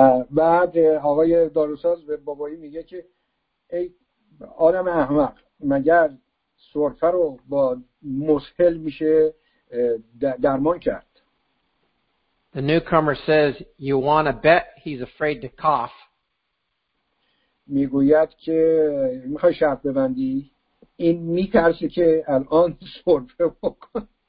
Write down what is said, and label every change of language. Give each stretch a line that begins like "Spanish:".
Persian: بعد آقای داروساز به بابایی میگه که ای آدم احمق مگر سرفه رو با مسهل میشه درمان کرد.
English: The newcomer says you want to bet he's afraid to cough.
Persian: میگوید که میخوای شرط ببندی این میترسه که الان سرفه بکن.